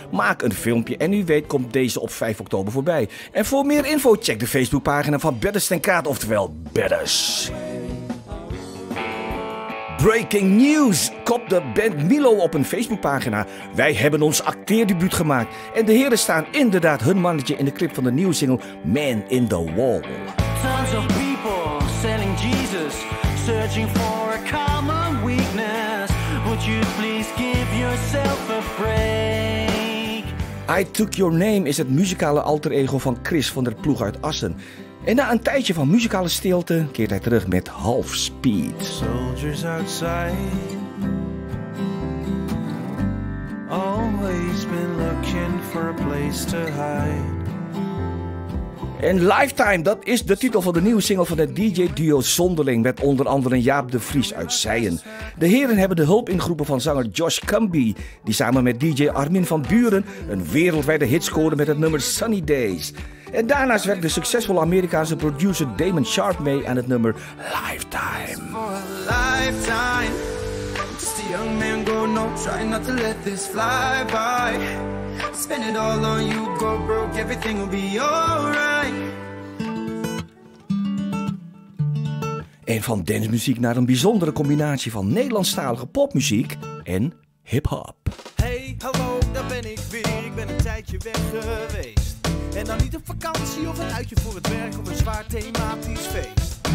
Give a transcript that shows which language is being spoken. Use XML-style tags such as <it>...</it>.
<nl>Maak een filmpje en u weet komt deze op 5 oktober voorbij. En voor meer info check de Facebookpagina van Bedders ten Kaat, oftewel Bedders. Breaking news! Kopt de band Milo op een Facebookpagina. Wij hebben ons acteerdebuut gemaakt. En de heren staan inderdaad hun mannetje in de clip van de nieuwe single Man in the Wall.</nl> <en>Tons of people selling Jesus, searching for a common weakness. Would you please give yourself a break?</en> <nl>I Took Your Name is het muzikale alter ego van Chris van der Ploeg uit Assen. En na een tijdje van muzikale stilte keert hij terug met Half Speed.</nl> <en>Soldiers outside, always been looking for a place to hide.</en> <nl>En Lifetime, dat is de titel van de nieuwe single van het DJ-duo Zonderling met onder andere Jaap de Vries uit Zeien. De heren hebben de hulp ingeroepen van zanger Josh Cumby, die samen met DJ Armin van Buren een wereldwijde hit scoorde met het nummer Sunny Days. En daarnaast werkte de succesvolle Amerikaanse producer Damon Sharp mee aan het nummer Lifetime.</nl> <en>For a lifetime, just a young man going up, try not to let this fly by. Spend it all on you, go broke, everything will be alright.</en> <nl>En van dancemuziek naar een bijzondere combinatie van Nederlandstalige popmuziek en hip-hop. Hey, hallo, daar ben ik weer. Ik ben een tijdje weg geweest. En dan niet op vakantie of een uitje voor het werk op een zwaar thematisch feest.</nl>